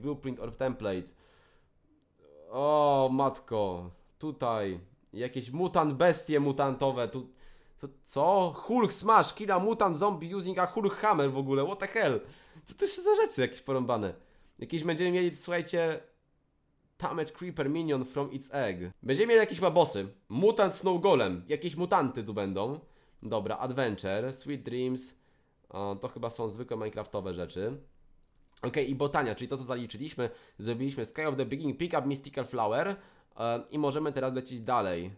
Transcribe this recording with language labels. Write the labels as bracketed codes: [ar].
[en] Blueprint or Template. [pl] O matko. Tutaj. Jakieś mutant bestie mutantowe. Tu, to co? [en] Hulk Smash. Kill a mutant zombie using a Hulk Hammer [pl] w ogóle. [en] What the hell? [pl] Co to się za rzeczy jakieś porąbane? Jakieś będziemy mieli, słuchajcie... [en] Tamed Creeper Minion from its egg. [pl] Będziemy mieli jakieś babosy. Mutant Snow Golem. Jakieś mutanty tu będą. Dobra, Adventure, Sweet Dreams. To chyba są zwykłe minecraftowe rzeczy. Okej, okay, i botania, czyli to co zaliczyliśmy. Zrobiliśmy Sky of the Beginning, [en] pick up Mystical Flower. [pl] I możemy teraz lecieć dalej.